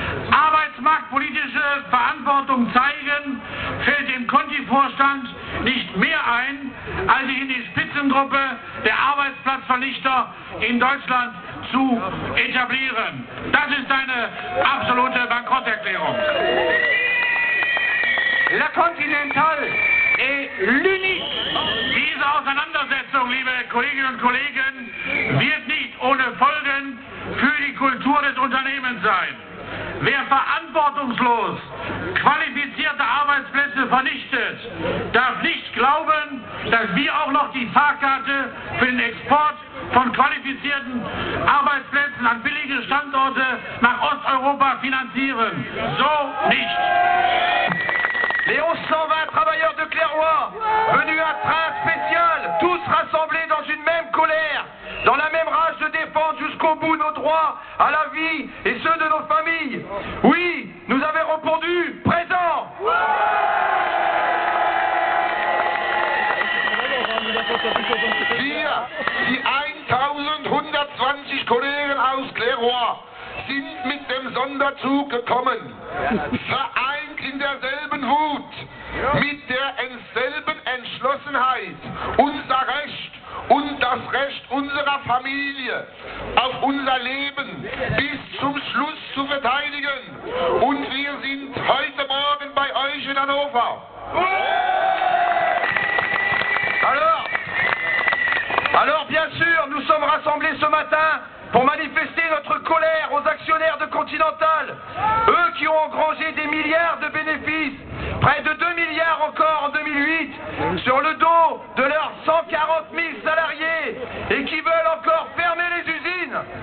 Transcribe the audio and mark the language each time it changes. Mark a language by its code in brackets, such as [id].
[de] Arbeitsmarktpolitische Verantwortung zeigen, fällt dem Conti-Vorstand nicht mehr ein, als sich in die Spitzengruppe der Arbeitsplatzvernichter in Deutschland zu etablieren. Das ist eine absolute Bankrotterklärung. [fr] La Continental est l'unique. [de] Diese Auseinandersetzung, liebe Kolleginnen und Kollegen, wird nicht ohne Folgen für die Kultur des Unternehmens sein. Wer verantwortungslos qualifizierte Arbeitsplätze vernichtet, darf nicht glauben, dass wir auch noch die Fahrkarte für den Export von qualifizierten Arbeitsplätzen an billige Standorte nach Osteuropa finanzieren. So nicht. [fr] Les 1120 travailleurs de Clairoy, venus à train spécial, tous rassemblés dans une même colère, dans la même rage de défendre jusqu'au bout nos droits à la vie et ceux de nos familles. Oui, nous avons répondu présent. [de] Wir, die 1120 Kollegen aus Clairoy, sind mit dem Sonderzug gekommen. Vereint in derselben Wut, mit derselben Entschlossenheit, unser Recht und das Recht unserer Familie auf unser Leben bis zum Schluss zu verteidigen. Und wir sind heute Morgen bei euch in Hannover. [fr] Alors, bien sûr, nous sommes rassemblés ce matin pour manifester notre colère aux actionnaires de Continental, eux qui ont engrangé des milliards de bénéfices, près de 2 milliards encore en 2008, sur le dos de leurs 140 000 salariés et qui veulent encore fermer les usines.